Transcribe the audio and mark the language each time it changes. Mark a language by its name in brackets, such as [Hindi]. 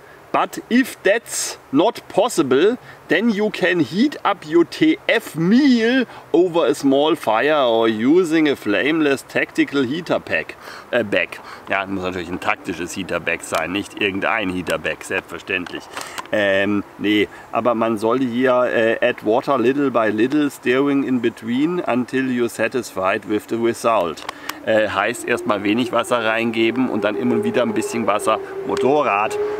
[English] But if that's not possible, then you can heat up your TF meal over a small fire or using a flameless tactical heater pack. Bag. [German] Ja, muss natürlich ein taktisches Heater Bag sein, nicht irgendein Heater Bag, selbstverständlich. Nee, aber man soll hier [English] add water little by little, stirring in between until you're satisfied with the result. [German] Heißt erstmal wenig Wasser reingeben und dann immer wieder ein bisschen Wasser. Motorrad.